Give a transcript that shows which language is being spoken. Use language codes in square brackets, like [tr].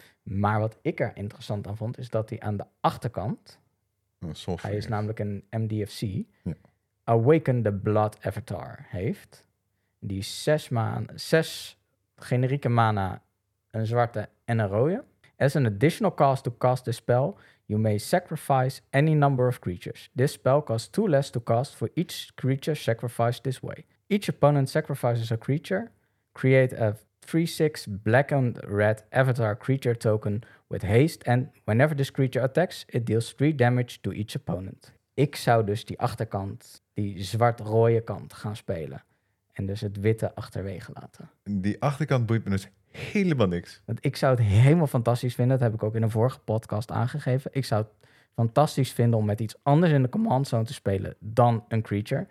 [nl] Maar wat ik er interessant aan vond, is dat hij aan de achterkant, hij is namelijk een MDFC, Awaken the Blood Avatar heeft. Die 6 generieke mana, een zwarte en een rode. [en] As an additional cost to cast this spell, you may sacrifice any number of creatures. This spell costs 2 less to cast for each creature sacrificed this way. Each opponent sacrifices a creature, create a 3/6 black and red avatar creature token with haste, and whenever this creature attacks, it deals 3 damage to each opponent. [nl] Ik zou dus die achterkant, die zwart-rode kant, gaan spelen. En dus het witte achterwege laten. Die achterkant boeit me dus helemaal niks. Want ik zou het helemaal fantastisch vinden, dat heb ik ook in een vorige podcast aangegeven. Ik zou het fantastisch vinden om met iets anders in de command zone te spelen dan een creature.